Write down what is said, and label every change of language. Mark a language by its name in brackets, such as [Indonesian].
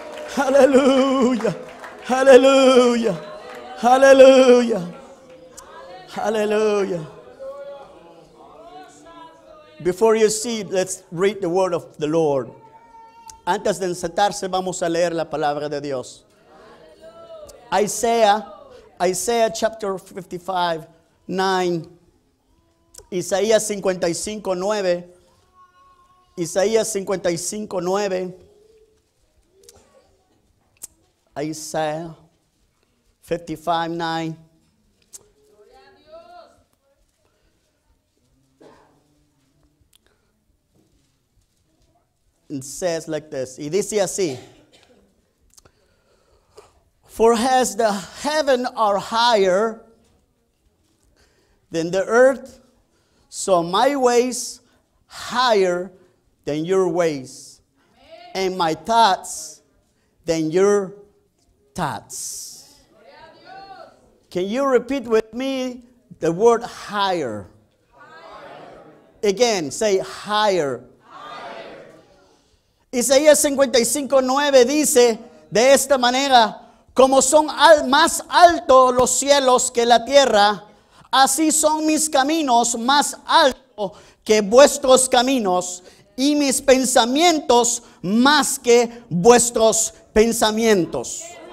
[English] Hallelujah, hallelujah, hallelujah, hallelujah. Before you sit, let's read the word of the Lord. [Spanish] Antes de sentarse, vamos a leer la palabra de Dios. [English] Isaiah chapter 55:9. [Spanish] Isaías 55:9. Isaías 55:9. [English] Isaiah 55:9. And says like this. [Spanish] Y dice así. [English] For as the heaven are higher than the earth, so my ways higher than your ways. And my thoughts than your thoughts. Can you repeat with me the word higher? Again, say higher. [Spanish] Isaías 55:9 dice de esta manera: como son más altos los cielos que la tierra, así son mis caminos más altos que vuestros caminos, y mis pensamientos más que vuestros pensamientos.